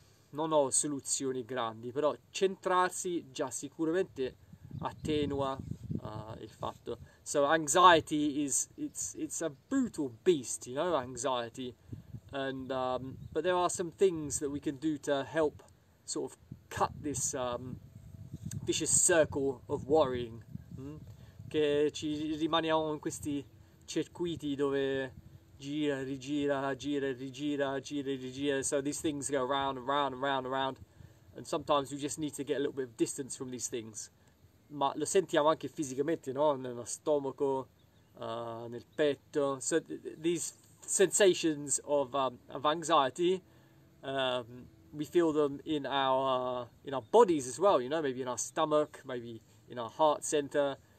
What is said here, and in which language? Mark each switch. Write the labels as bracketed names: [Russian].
[Italian] Non ho soluzioni grandi, però centrarsi già sicuramente attenua il fatto. [English] So anxiety is it's a brutal beast, you know, anxiety. But there are some things that we can do to help sort of cut this vicious circle of worrying. [Italian] Che ci rimaniamo in questi circuiti dove gira, rigira, gira, rigira, gira, rigira. [English] So these things go round and round and round and round. And sometimes we just need to get a little bit of distance from these things. [Italian] Ma lo sentiamo anche fisicamente, no? Nello stomaco, nel petto. [English] So these sensations of anxiety, we feel them in our bodies as well, you know, maybe in our stomach, maybe in our heart center.